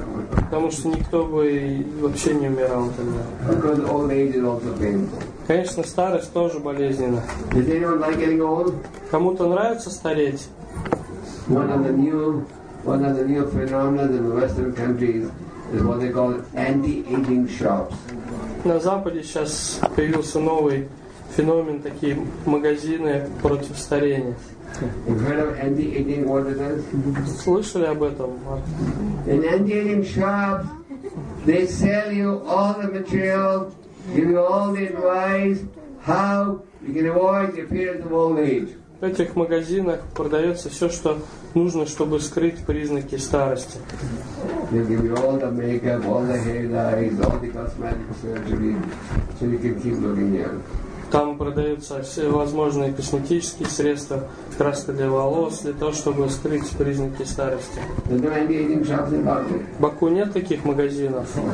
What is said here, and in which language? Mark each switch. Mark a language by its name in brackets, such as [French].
[Russian] Потому что никто бы вообще не умирал тогда. [English] Because old age is also painful. [Russian] Конечно, старость тоже болезненна. [English] Does anyone like getting old? [Russian] Кому-то нравится стареть? [English] One of the new phenomena in the Western countries is what they call anti-aging shops. [Russian] На Западе сейчас появился новый феномен, такие магазины против старения. [English] You heard of anti-aging? What it is? [Russian] Слышали об этом? [English] In anti-aging shops, they sell you all the material. Give you all the advice how you can avoid the appearance of old age. [Russian] В этих магазинах продается все, что нужно, чтобы скрыть признаки старости. [English] They give you all the makeup, all the hair dyes, all the cosmetic surgery, so you can keep looking young. [Russian] Там продаются все возможные косметические средства, краска для волос, для того, чтобы скрыть признаки старости. В Баку нет таких магазинов.